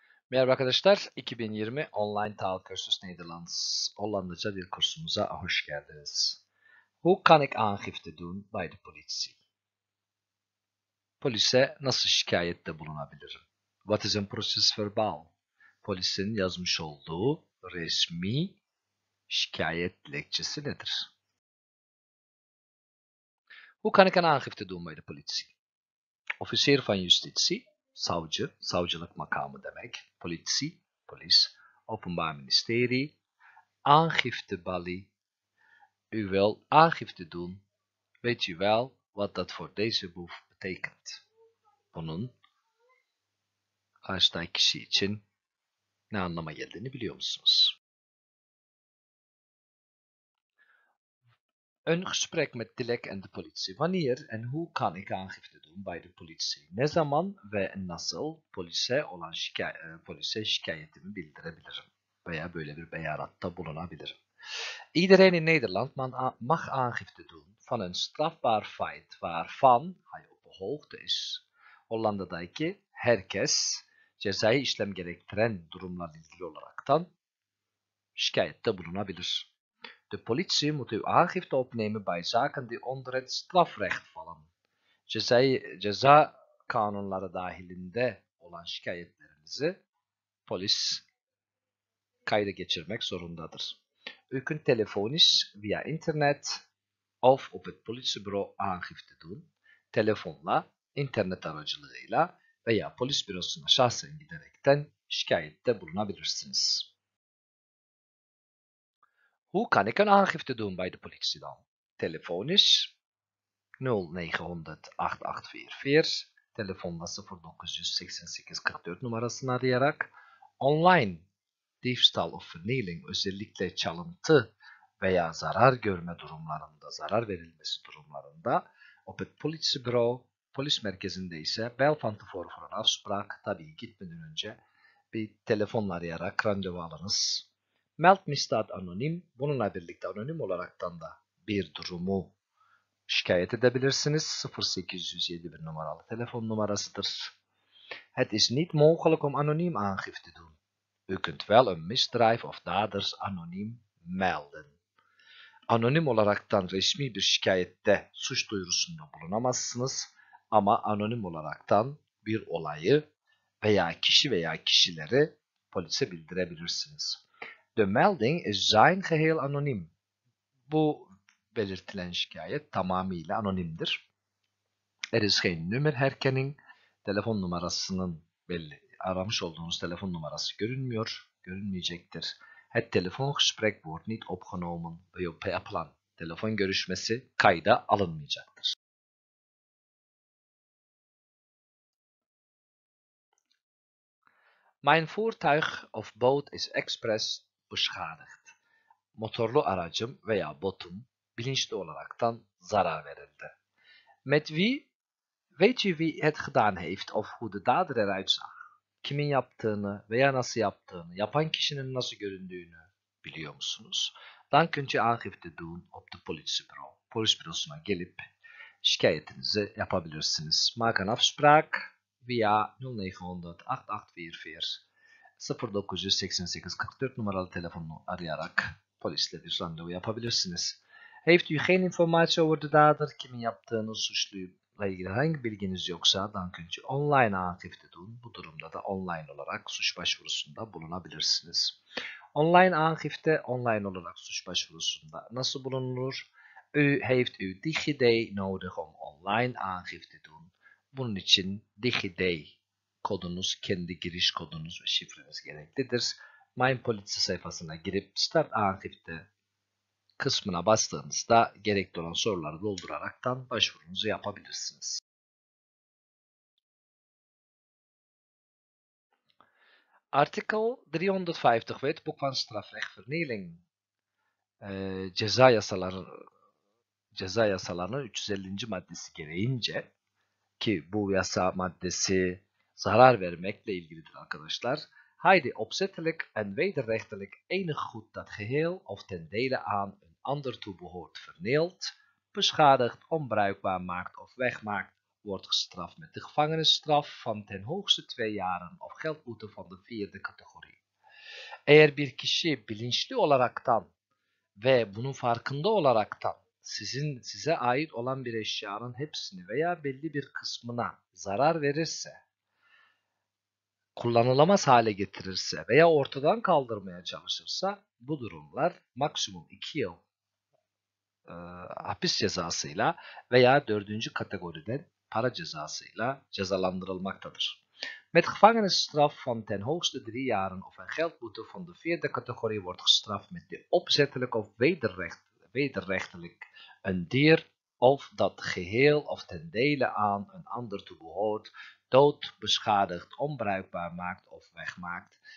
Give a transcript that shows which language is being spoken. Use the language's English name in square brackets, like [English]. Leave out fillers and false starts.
[Turkish] Merhaba arkadaşlar, 2020 online TOEFL [Dutch] kursus Nederlands, [Turkish] Hollandaca dil kursumuza hoş geldiniz. [Dutch] Hoe kan ik aangifte doen bij de politie? [Turkish] Polise nasıl şikayette bulunabilirim? [English] What is [Dutch] een procesverbaal? [Turkish] Polisin yazmış olduğu resmi şikayet dilekçesi nedir? [Dutch] Hoe kan ik een aangifte doen bij de politie? Officier van justitie. [Turkish] Savcı, savcılık makamı demek. [Dutch] Politie, [Turkish] polis. [Dutch] Openbaar ministerie. Aangiftebalie. U wil aangifte doen. Weet u wel wat dat voor deze boef betekent? [Turkish] Bunun karşıdaki kişi için ne anlama geldiğini biliyor musunuz? [Dutch] Een gesprek met Dilek en de politie. Wanneer en hoe kan ik aangifte doen bij de politie? [Turkish] Ne zaman ve nasıl polise şikayetimi bildirebilirim? Veya böyle bir beyanatta bulunabilirim. [Dutch] Iedereen in Nederland mag aangifte doen van een strafbaar feit waarvan hij op de hoogte is. [Turkish] Hollanda'daki herkes cezai işlem gerektiren durumlarla ilgili olaraktan şikayette bulunabilir. [Dutch] De politie moet uw aangifte opnemen bij zaken die onder het strafrecht vallen. [Turkish] Ceza kanunları dahilinde olan şikayetlerinizi polis kayda geçirmek zorundadır. [Dutch] U kunt telefonisch via internet of op het politiebureau aangifte doen. [Turkish] Telefonla, internet aracılığıyla veya polis bürosuna şahsen giderekten şikayette bulunabilirsiniz. [Dutch] Hoe kan ik een aangifte doen bij de politie dan? Telefonisch [Turkish] 0900 8844, telefonla 0900 8844 numarasını arayarak, [Dutch] online diefstal of vernieling, [Turkish] özellikle çalıntı veya zarar görme durumlarında, zarar verilmesi durumlarında, [Dutch] op het politiebureau, [Turkish] polis merkezinde ise, [Dutch] bel van tevoren voor een afspraak, [Turkish] tabii gitmeden önce, bir telefonla arayarak randevu alınız. [Dutch] Meld misdaad anoniem, [Turkish] bununla birlikte anonim olaraktan da bir durumu şikayet edebilirsiniz. 0807 bir numaralı telefon numarasıdır. [Dutch] Het is niet mogelijk om anoniem aangifte te doen. U kunt wel een misdrijf of daders anoniem melden. [Turkish] Anonim olaraktan resmi bir şikayette suç duyurusunda bulunamazsınız. Ama anonim olaraktan bir olayı veya kişi veya kişileri polise bildirebilirsiniz. [Dutch] De melding is zijn geheel anoniem. [Turkish] Bu belirtilen şikayet tamamıyla anonimdir. [Dutch] Er is geen nummerherkenning. [Turkish] Telefon numarasının belli, aramış olduğunuz telefon numarası görünmüyor, görünmeyecektir. [Dutch] Het telefoongesprek wordt niet opgenomen. [Turkish] Yapılan telefon görüşmesi kayda alınmayacaktır. [Dutch] Mijn voertuig of boat is express beschadigd. [Turkish] Motorlu aracım veya botum bilinçli olaraktan zarar verildi. [Dutch] Met wie? Weet je wie het gedaan heeft of hoe de dader eruit zag? [Turkish] Kimin yaptığını veya nasıl yaptığını, yapan kişinin nasıl göründüğünü biliyor musunuz? [Dutch] Dan kunt u aangifte doen op de politiebureau. [Turkish] Polis bürosuna gelip şikayetinizi yapabilirsiniz. [Dutch] Maak een afspraak via 0900 8844. [Turkish] 0988-44 numaralı telefonu arayarak polisle bir randevu yapabilirsiniz. [Dutch] Heeft u geen informatie over de dader, [Turkish] kimin yaptığını, suçluyla ilgili hangi bilginiz yoksa, [Dutch] dan kunt u online aangifte doen. [Turkish] Bu durumda da online olarak suç başvurusunda bulunabilirsiniz. [Dutch] Online aangifte, [Turkish] online olarak suç başvurusunda nasıl bulunulur? [Dutch] U heeft uw DigiD nodig om online aangifte doen. [Turkish] Bunun için DigiD kodunuz, kendi giriş kodunuz ve şifreniz gereklidir. Mein Polizei sayfasına girip Start Aangifte kısmına bastığınızda gerekli olan soruları dolduraraktan başvurunuzu yapabilirsiniz. [Dutch] Artikel 350 Wet Boek van Strafrecht Vernieling. [Turkish] Ceza yasalarının 350. maddesi gereğince ki bu yasa maddesi zarar vermekle ilgilidir arkadaşlar. [Dutch] Haydi opzettelijk en wederrechtelijk enig goed dat geheel of ten dele aan een ander toebehoort verneelt, beschadigt, onbruikbaar maakt of wegmaakt, wordt gestraft met de gevangenisstraf van ten hoogste 2 jaren of geldboete van de vierde categorie. [Turkish] Eğer bir kişi bilinçli olaraktan ve bunun farkında olaraktan sizin size ait olan bir eşyanın hepsini veya belli bir kısmına zarar verirse, kullanılamaz hale getirirse veya ortadan kaldırmaya çalışırsa bu durumlar maksimum 2 yıl hapis cezasıyla veya 4. kategoriden para cezasıyla cezalandırılmaktadır. [Dutch] Met gevangenisstraf van ten hoogste 3 jaren of een geldboete van de vierde categorie wordt gestraft met de opzettelijk of wederrechtelijk een dier of dat geheel of ten dele aan een ander toebehoort, dood, beschadigd, onbruikbaar maakt of wegmaakt.